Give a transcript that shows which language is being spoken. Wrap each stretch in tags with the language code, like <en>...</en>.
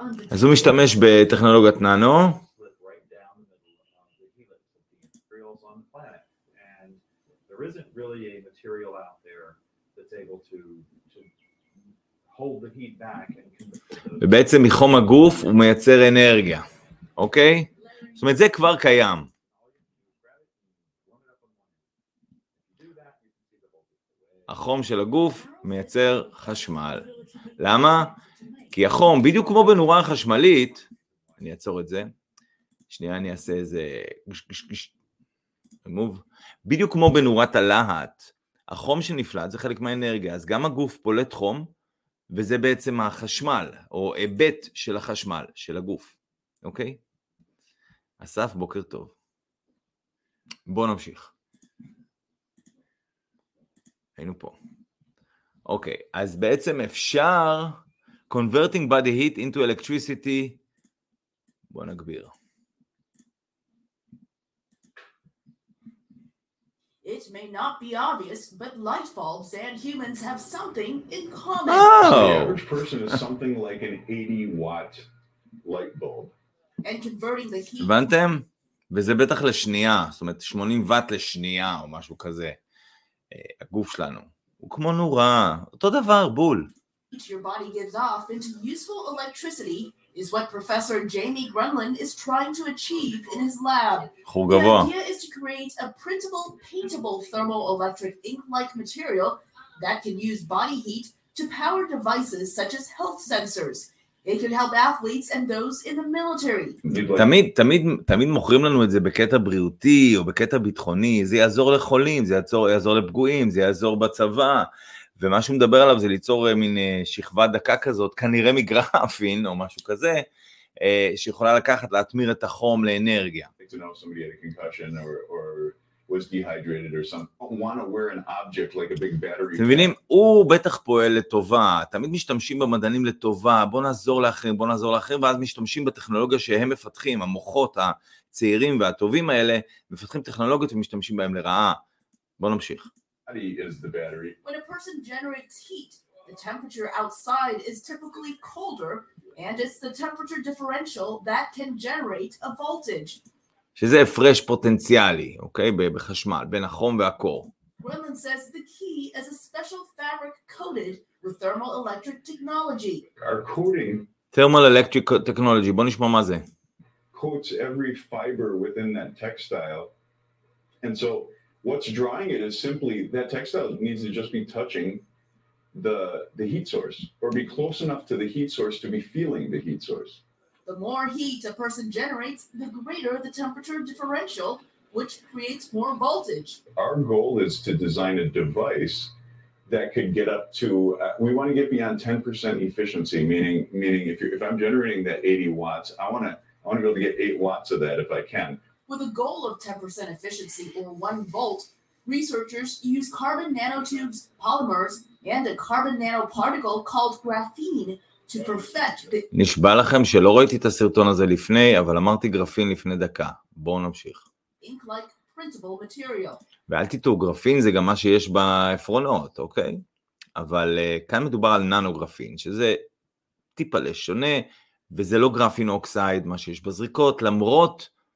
<he>אז הוא משתמש בטכנולוגיית נאנו,</he> <en>isn't really a material out there that's able to hold the heat back and</en> <he>ובעצם מחום הגוף הוא מייצר אנרגיה, אוקיי? זאת אומרת זה כבר קיים. החום של הגוף מייצר חשמל. למה? כי החום, בדיוק כמו בנורה החשמלית, אני אעצור את זה, שנייה אני אעשה איזה מוב, בדיוק כמו בנורת הלהט, החום שנפלט זה חלק מהאנרגיה, אז גם הגוף פולט חום, וזה בעצם החשמל, או היבט של החשמל, של הגוף, אוקיי? אסף, בוקר טוב. בוא נמשיך. היינו פה. אוקיי, אז בעצם אפשר, converting body heat into electricity, בוא נגביר.</he> <en>It may not be obvious, but light bulbs and humans have something in common. Oh. The average person is something like an 80-watt light bulb. And converting the heat...</en> <he>הבנתם? וזה בטח לשנייה, זאת אומרת 80 וואט לשנייה או משהו כזה. הגוף שלנו הוא כמו נורה, אותו דבר, בול.</he> <en>Your body gives off into useful electricity is what Professor Jamie Grunlin is trying to achieve in his lab. חור גבוה. The idea is to create a printable, paintable thermoelectric ink-like material that can use body heat to power devices such as health sensors. It can help athletes and those in the military.</en> <he>תמיד, תמיד, תמיד מוכרים לנו את זה בקטע בריאותי או בקטע ביטחוני. זה יעזור לחולים, זה יעזור לפגועים, זה יעזור בצבא. ומה שהוא מדבר עליו זה ליצור מין שכבה דקה כזאת, כנראה מגרפין או משהו כזה, שיכולה לקחת, להתמיר את החום לאנרגיה.</he> <en>To know somebody had a concussion or was dehydrated or something. I want to wear an object like a big battery.</en> <he>אתם מבינים? הוא בטח פועל לטובה. תמיד משתמשים במדענים לטובה. בוא נעזור לאחרים, בוא נעזור לאחרים, ואז משתמשים בטכנולוגיה שהם מפתחים, המוחות הצעירים והטובים האלה, מפתחים טכנולוגיות ומשתמשים בהם לרעה. בוא נמשיך.</he> <en>Is the battery. When a person generates heat, the temperature outside is typically colder, and it's the temperature differential that can generate a voltage.</en> <he>שזה הפרש פוטנציאלי, אוקיי? בחשמל, בין החום והקור.</he> <en>Grunlin says the key is a special fabric coated with thermoelectric technology. Our coating...</en> <he>Thermoelectric technology, בוא נשמע מה זה.</he> <en>Coats every fiber within that textile, and so... What's drawing it is simply that textile needs to just be touching the heat source or be close enough to the heat source to be feeling the heat source. The more heat a person generates, the greater the temperature differential, which creates more voltage. Our goal is to design a device that could get up to we want to get beyond 10% efficiency, meaning if I'm generating that 80 watts, I want to be able to get 8 watts of that if I can. With a goal of 10% efficiency or 1 volt, researchers use carbon nanotubes, polymers, and a carbon nanoparticle called graphene to perfect the...</en> <he>נשבע לכם שלא ראיתי את הסרטון הזה לפני, אבל אמרתי גרפין לפני דקה. בואו נמשיך. Ink-like printable material. ואל תטעו, גרפין זה גם מה שיש באפרונות, אוקיי? אבל כאן מדובר על ננוגרפין, שזה טיפה לשונה, וזה לא גרפין אוקסייד, מה שיש בזריקות, למרות...</he>